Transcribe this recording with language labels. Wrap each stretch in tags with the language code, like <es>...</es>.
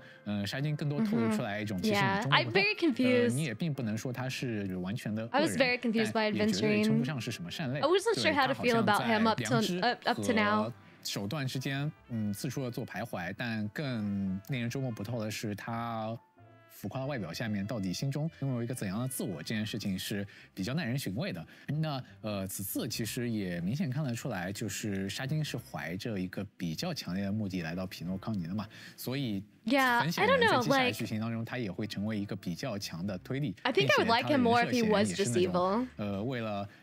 <zh>在整个星穹铁道目前首先在1.4登场了一位星际和平公司这个派系的成员，也就是托帕，而沙金也和他同属于一个组织，就是战略投资部的实行使人。但是相比托帕而言，他的行事手段也好，展现出来的气场也好，和托帕那样子一种公事公办当中带一点善意的，其实并不相一样。沙金更多透露出来一种情绪中的</zh> <en>I'm very confused by Adventurine.</en> <zh>你也并不能说他是完全的恶人，称不上是什么善类。</zh> <en>I wasn't sure how to feel about him up to now.</en> <zh>手段之间，四处的做徘徊，但更令人捉摸不透的是，他浮夸外表下面到底心中拥有一个怎样的自我，这件事情是比较耐人寻味的。那此次其实也明显看得出来，就是沙金是怀着一个比较强烈的目的来到匹诺康尼的嘛，所以很显然 yeah, 在接下来剧情当中，他也会成为一个比较强的推力。</zh> <en>I think I would like him more if he was just evil.</en>